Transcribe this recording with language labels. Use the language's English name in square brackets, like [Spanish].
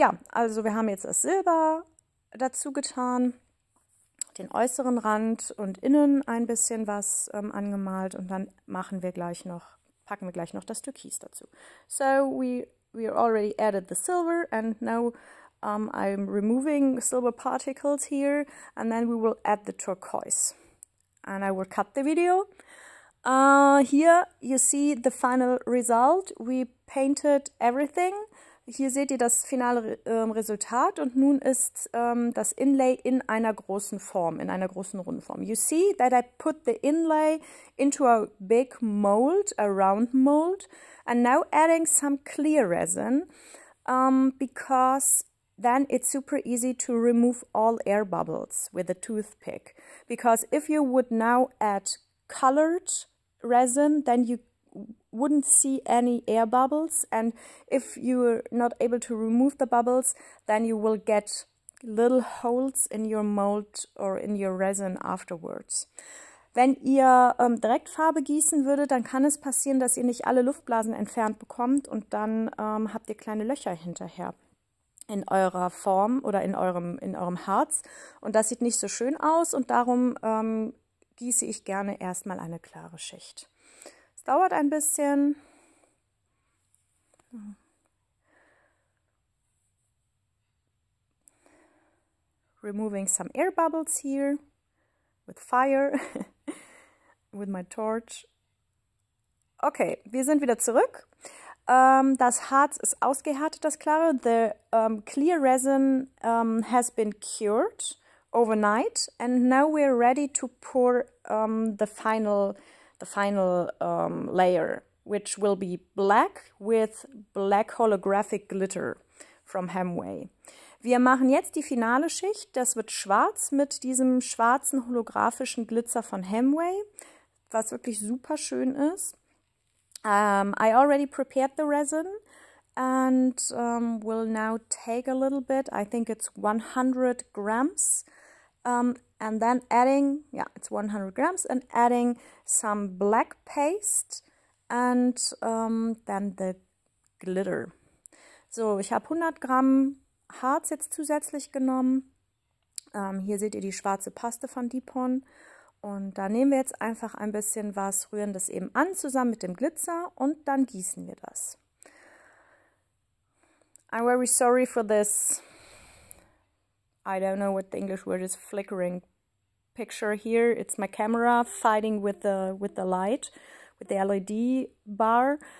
[German] Also wir haben jetzt das Silber dazu getan, den äußeren Rand und innen ein bisschen was angemalt und dann packen wir gleich noch das Türkis dazu. [English] So we already added the silver and now I'm removing silver particles here and then we will add the turquoise. And I will cut the video. Here you see the final result. We painted everything. [German] Hier seht ihr das finale Resultat und nun ist das Inlay in einer großen Form, in einer großen Rundform. [English] You see that I put the inlay into a big mold, a round mold, and now adding some clear resin, because then it's super easy to remove all air bubbles with a toothpick. Because if you would now add colored resin, then you wouldn't see any air bubbles, and if you're not able to remove the bubbles, then you will get little holes in your mold or in your resin afterwards. [German] Wenn ihr Direktfarbe gießen würdet, dann kann es passieren, dass ihr nicht alle Luftblasen entfernt bekommt und dann habt ihr kleine Löcher hinterher in eurer Form oder in eurem Harz und das sieht nicht so schön aus und darum gieße ich gerne erstmal eine klare Schicht. Dauert ein bisschen. [English] Removing some air bubbles here with fire, with my torch. [German] Okay, wir sind wieder zurück. Das Harz ist ausgehärtet, das klare. [English] The clear resin has been cured overnight and now we're ready to pour the final layer, which will be black with black holographic glitter from Hemway. [German] Wir machen jetzt die finale Schicht. Das wird schwarz mit diesem schwarzen holographischen Glitzer von Hemway, was wirklich super schön ist. [English] I already prepared the resin and will now take a little bit. I think it's 100 grams. And then adding, it's 100 grams, and adding some black paste and then the glitter. [German] So, ich habe 100 Gramm Harz jetzt zusätzlich genommen. Hier seht ihr die schwarze Paste von Dipon. Und da nehmen wir jetzt einfach ein bisschen was, rühren das eben an, zusammen mit dem Glitzer, und dann gießen wir das. [English] I'm very sorry for this. I don't know what the English word is, flickering picture here. It's my camera fighting with the light, with the LED bar.